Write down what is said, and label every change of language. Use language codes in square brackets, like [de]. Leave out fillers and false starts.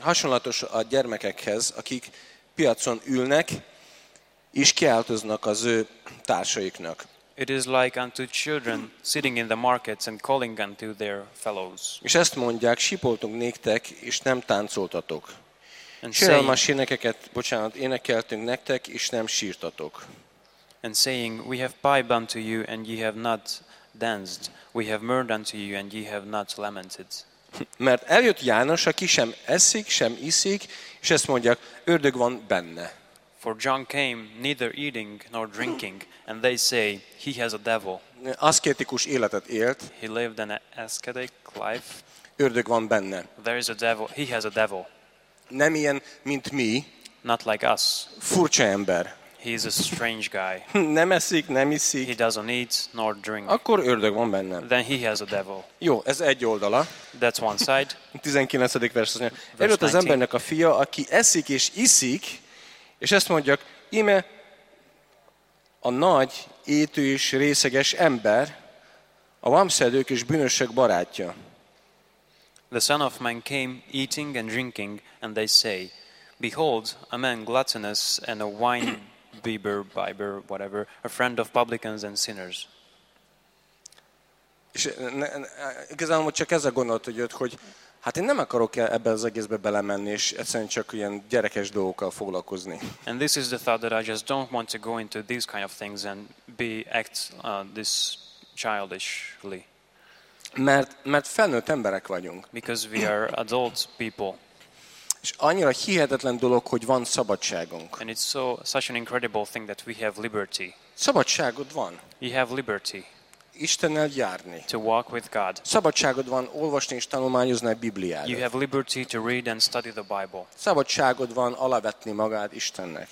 [hu] Hasonlatos a gyermekekhez, akik piacon ülnek és kiáltoznak az ő társaiknak. [en] It is like unto children sitting in the markets and calling unto their fellows. [hu] És ezt mondják, sipoltunk néktek és nem táncoltatok. Sérelmes énekeket, bocsánat, énekeltünk nektek és nem sírtatok. [en] And saying, we have piped unto you, and ye have not danced. We have mourned unto you, and ye have not lamented. [hu] Mert eljött János, aki sem eszik, sem iszik, és ezt mondják, ördög van benne. [en] For John came, neither eating nor drinking, and they say, he has a devil. [hu] Aszketikus életet élt. [en] He lived an ascetic life. [hu] Ördög van benne. [en] There is a devil. He has a devil. [hu] Nem ilyen, mint mi. [en] Not like us. [hu] Furcsa ember. [en] He is a strange guy. [hu] Nem eszik, nem iszik. [en] He doesn't eat nor drink. [hu] Akkor ördög van benne. [en] Then he has a devil. [hu] Jó, ez egy oldala. [en] That's one side. [hu] 19. vers. Eljött az embernek a fia, aki eszik és iszik, és ezt mondjak, íme a nagy, étő és részeges ember, a vámszedők és bűnösök barátja. [en] The son of man came eating and drinking, and they say, behold, a man gluttonous and a wine Biber, whatever, a friend of publicans and sinners. [hu] És igazán csak ez a gondolat, hogy jött, hogy hát én nem akarok ebbe az egészbe belemenni, és egyszerűen csak ilyen gyerekes dolgokkal foglalkozni. [en] And this is the thought that I just don't want to go into these kind of things and be act this childishly. [hu] Mert felnőtt emberek vagyunk. [en] Because we are adult people. [hu] És annyira hihetetlen dolog, hogy van szabadságunk. [en] And it's so such an incredible thing that we have liberty. [hu] Szabadságod van. [en] You have liberty. [hu] Istennel járni. [en] To walk with God. [hu] Szabadságod van olvasni és tanulmányozni a Bibliát. [en] You have liberty to read and study the Bible. [hu] Szabadságod van alávetni magad Istennek.